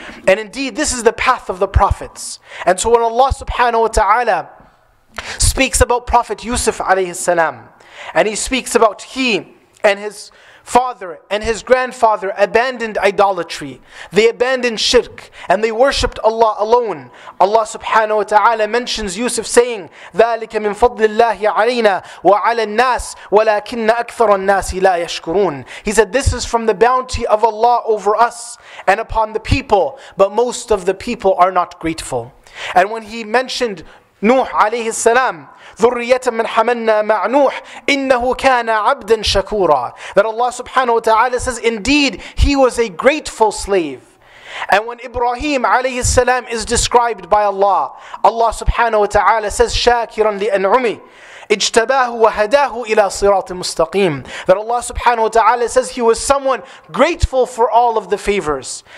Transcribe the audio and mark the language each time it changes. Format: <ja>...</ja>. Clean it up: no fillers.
<en>And indeed, this is the path of the prophets. And so when Allah subhanahu wa ta'ala speaks about Prophet Yusuf alayhi salam, and he speaks about he and his father and his grandfather abandoned idolatry. They abandoned shirk and they worshipped Allah alone. Allah subhanahu wa ta'ala mentions Yusuf saying,</en> <ar>ذَلِكَ مِن فَضْلِ اللَّهِ عَلَيْنَا وَعَلَى النَّاسِ وَلَكِنَّ أَكْثَرَ النَّاسِ لَا يَشْكُرُونَ.</ar> <en>He said, this is from the bounty of Allah over us and upon the people, but most of the people are not grateful. And when he mentioned Nuh alayhi salam,</en> <ar>ذُرِّيَّةً مَنْ حَمَلْنَا مَعْ نُوحِ إِنَّهُ كَانَ عَبْدًا شَكُورًا.</ar> <en>That Allah subhanahu wa ta'ala says, indeed, he was a grateful slave. And when Ibrahim alayhi salam is described by Allah, Allah subhanahu wa ta'ala says,</en> <ar>شَاكِرًا لِأَنْعُمِ اجْتَبَاهُ وَهَدَاهُ إِلَى صِرَاطٍ مُسْتَقِيمٍ.</ar> <en>That Allah subhanahu wa ta'ala says, he was someone grateful for all of the favors.</en>